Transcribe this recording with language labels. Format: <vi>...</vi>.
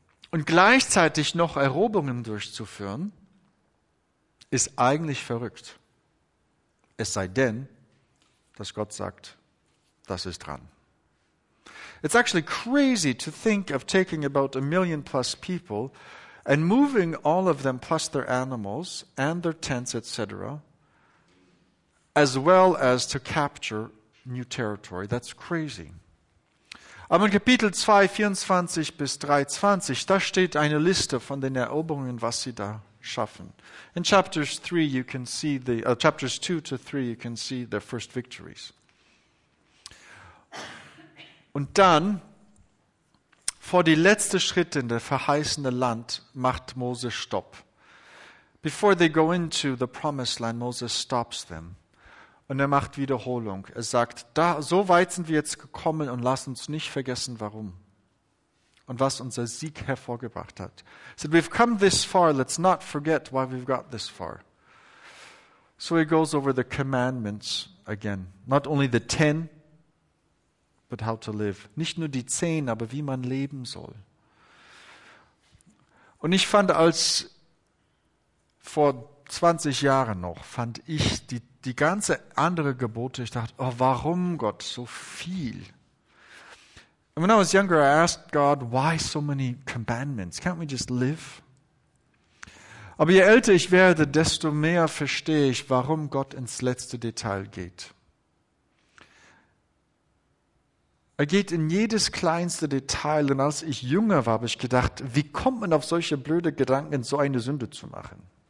<de>Und gleichzeitig noch Eroberungen durchzuführen, ist eigentlich verrückt. Es sei denn, dass Gott sagt, das ist dran.</de> <en>It's actually crazy to think of taking about 1 million plus people and moving all of them plus their animals and their tents, etc., as well as to capture new territory. That's crazy.</en> <de>Aber in Kapitel 2, 24 bis 23, da steht eine Liste von den Eroberungen, was sie da schaffen.</de> <en>In chapters 2 to 3, you can see their first victories.</en> <de>Und dann, vor die letzte Schritte in das verheißene Land, macht Moses Stopp.</de> <en>Before they go into the promised land, Moses stops them.</en> <de>Und er macht Wiederholung. Er sagt, da, so weit sind wir jetzt gekommen und lass uns nicht vergessen, warum. Und was unser Sieg hervorgebracht hat.</de> <en>He said, we've come this far, let's not forget why we've got this far. So he goes over the commandments again. Not only the 10, but how to live.</en> <de>Nicht nur die 10, aber wie man leben soll. Und ich fand als vor 20 Jahren noch, fand ich die ganze andere Gebote, ich dachte, oh, warum Gott so viel?</de> <en>And when I was younger, I asked God, why so many commandments? Can't we just live?</en> <de>Aber je älter ich werde, desto mehr verstehe ich, warum Gott ins letzte Detail geht. Er geht in jedes kleinste Detail. Und als ich jünger war, habe ich gedacht, wie kommt man auf solche blöde Gedanken, so eine Sünde zu machen?</de>